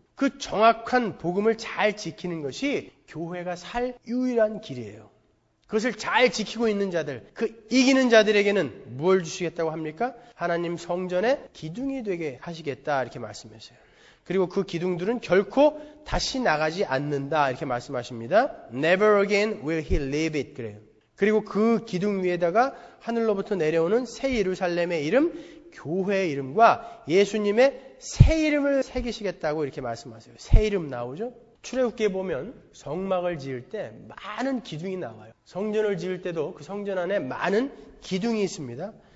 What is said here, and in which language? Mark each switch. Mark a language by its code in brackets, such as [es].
[ko] 그 정확한 복음을 잘 지키는 것이 교회가 살 유일한 길이에요. 그것을 잘 지키고 있는 자들, 그 이기는 자들에게는 뭘 주시겠다고 합니까? 하나님 성전의 기둥이 되게 하시겠다 이렇게 말씀하세요. 그리고 그 기둥들은 결코 다시 나가지 않는다 이렇게 말씀하십니다. [en] Never again will he leave it 그래요. [ko] 그리고 그 기둥 위에다가 하늘로부터 내려오는 새 예루살렘의 이름, 교회의 이름과 예수님의 새 이름을 새기시겠다고 이렇게 말씀하세요. 새 이름 나오죠? 출애굽기에 보면 성막을 지을 때 많은 기둥이 나와요. 성전을 지을 때도 그 성전 안에 많은 기둥이 있습니다.